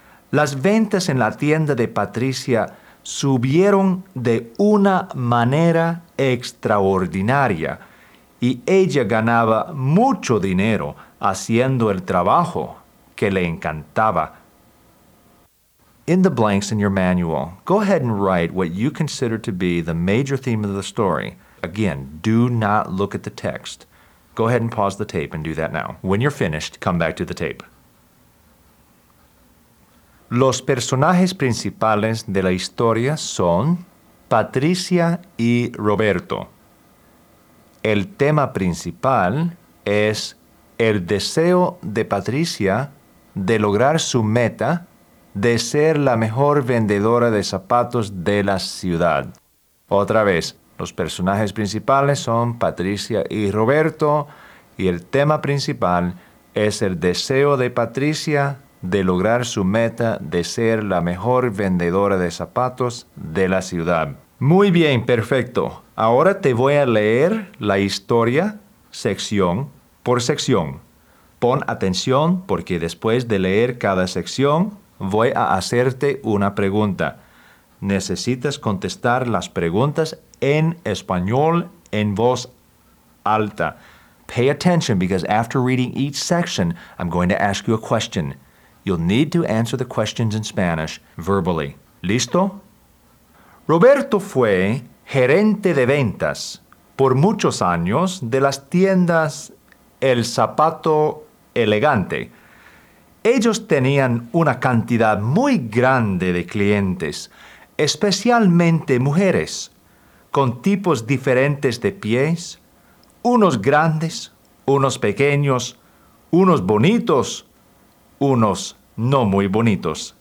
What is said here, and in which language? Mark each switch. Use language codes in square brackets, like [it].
[es] Las ventas en la tienda de Patricia subieron de una manera extraordinaria y ella ganaba mucho dinero haciendo el trabajo que le encantaba. [en] In the blanks in your manual, go ahead and write what you consider to be the major theme of the story. Again, do not look at the text. Go ahead and pause the tape and do that now. When you're finished, come back to the tape. [es] Los personajes principales de la historia son Patricia y Roberto. El tema principal es el deseo de Patricia de lograr su meta de ser la mejor vendedora de zapatos de la ciudad. Otra vez, los personajes principales son Patricia y Roberto, y el tema principal es el deseo de Patricia de lograr su meta de ser la mejor vendedora de zapatos de la ciudad. Muy bien, perfecto. Ahora te voy a leer la historia sección por sección. Pon atención porque después de leer cada sección, voy a hacerte una pregunta. Necesitas contestar las preguntas en español en voz alta. [en] Pay attention because after reading each section, I'm going to ask you a question. You'll need to answer the questions in Spanish verbally. [es] ¿Listo? Roberto fue gerente de ventas por muchos años de las tiendas El Zapato Elegante. Ellos tenían una cantidad muy grande de clientes, especialmente mujeres, con tipos diferentes de pies, unos grandes, unos pequeños, unos bonitos, unos no muy bonitos.